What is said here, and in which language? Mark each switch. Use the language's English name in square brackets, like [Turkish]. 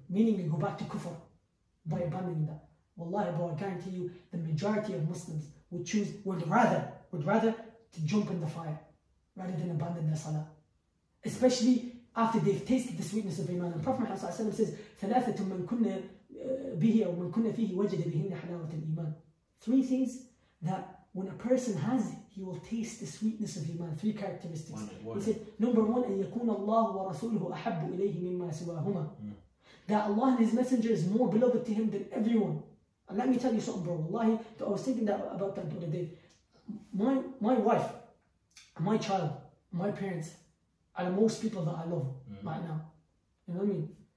[English] Meaning you go back to kufr by abandoning that. Wallahi, bro, I guarantee you, the majority of Muslims would rather to jump in the fire rather than abandon their salah. Especially after they've tasted the sweetness of Iman. And Prophet Muhammad says, [Arabic] ثَلَاثَةٌ مَنْ كُنَّ بِهِ أَوْ مَنْ كُنَّ فِيهِ وَجَدَ بِهِنَّ حَلَاوَةَ الْإِيمَانِ. [English] Three things that when a person has, he will taste the sweetness of Iman. Three characteristics. He said, number one, [Arabic] أَنْ يَكُونَ اللَّهُ وَرَسُولُهُ أَحَبُّ إِلَيْهِ مِمَّا سِوَاهُمَا. [English] That Allah and His Messenger is more beloved to him than everyone. And let me tell you something, bro. Wallahi, I was thinking that about that the other day. My wife, my child, my parents are the most people that I love right now. You know what I mean?